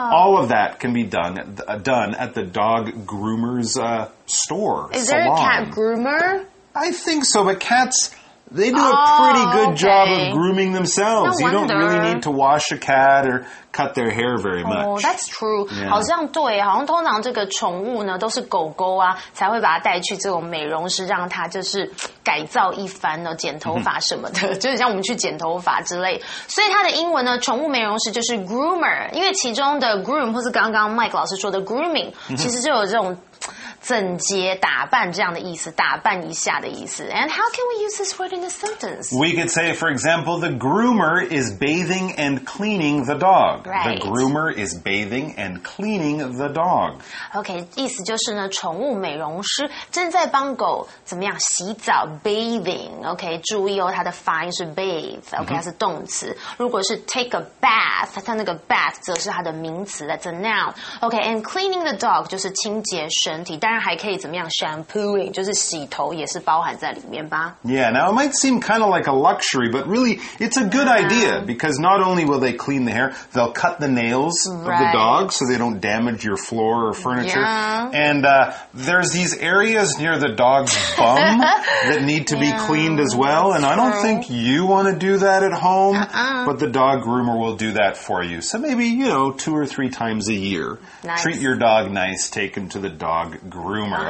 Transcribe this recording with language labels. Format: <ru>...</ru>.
<en>All of that can be done at the dog groomer's store, salon. Is there a cat groomer? I think so, but cats, They do a pretty good job of grooming themselves. No, you don't really need to wash a cat or cut their hair very much. Oh, that's true. Yeah.</en> <zh>好像对，好像通常这个宠物呢都是狗狗啊，才会把它带去这种美容师，让它就是改造一番呢，剪头发什么的，就是像我们去剪头发之类。所以它的英文呢，宠物美容师就是 groomer， 因为其中的 groom 或是刚刚 Mike 老师说的 grooming， 其实就有这种。整洁打扮这样的意思，打扮一下的意思。</zh> <en>And how can we use this word in a sentence? We could say, for example, the groomer is bathing and cleaning the dog. Right. The groomer is bathing and cleaning the dog.</en> <zh>Okay, 意思就是呢，宠物美容师正在帮狗怎么样洗澡 ，bathing. Okay, 注意哦，它的发音是 bathe. Okay, 它是动词。如果是</zh> <en>take a bath，</en> <zh>它那个 bath 则是它的名词 ，</zh> <en>that's a noun. Okay, and cleaning the dog</en> <zh>就是清洁身体。当然还可以怎么样 shampooing 就是洗头也是包含在里面吧</zh> <en>Yeah, now it might seem kind of like a luxury But really, it's a good idea Because not only will they clean the hair They'll cut the nails of the dog So they don't damage your floor or furniture And there's these areas near the dog's bum That need to be cleaned as well And I don't think you want to do that at home But the dog groomer will do that for you So maybe, you know, 2 or 3 times a year Treat your dog nice, take him to the dog groomer.</en>